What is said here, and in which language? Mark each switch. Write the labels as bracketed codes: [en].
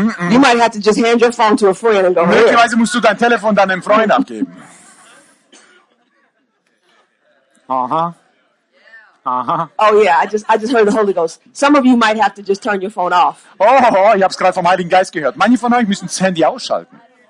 [en] You might have to just hand your phone to a friend and go. [de] Möglicherweise musst du dein Telefon dann einem Freund abgeben. [en] Oh yeah, I just heard the Holy Ghost. Some of you might have to just turn your phone off. [de] Oh, ich hab's gerade vom Heiligen Geist gehört. Manche von euch müssen das Handy ausschalten.